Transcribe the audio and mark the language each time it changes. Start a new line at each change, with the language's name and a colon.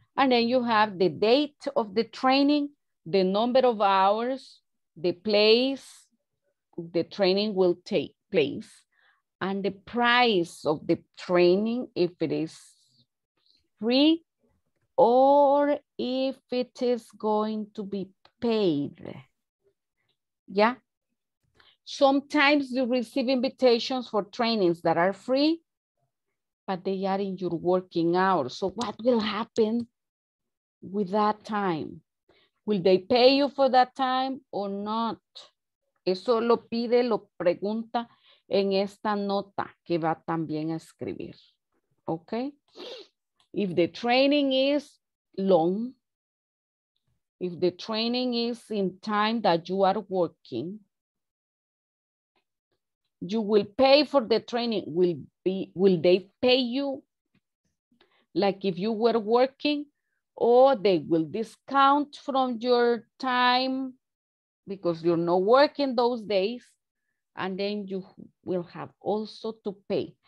English: And then you have the date of the training, the number of hours, the place the training will take place, and the price of the training, if it is free or if it is going to be paid. Yeah. Sometimes you receive invitations for trainings that are free, but they are in your working hours. So what will happen with that time? Will they pay you for that time or not?
Spanish: Eso lo pide, lo pregunta en esta nota que va también a escribir.
English: Okay. If the training is long, if the training is in time that you are working, you will pay for the training. Will they pay you? Like if you were working, or they will discount from your time because you're not working those days, and then you will have also to pay.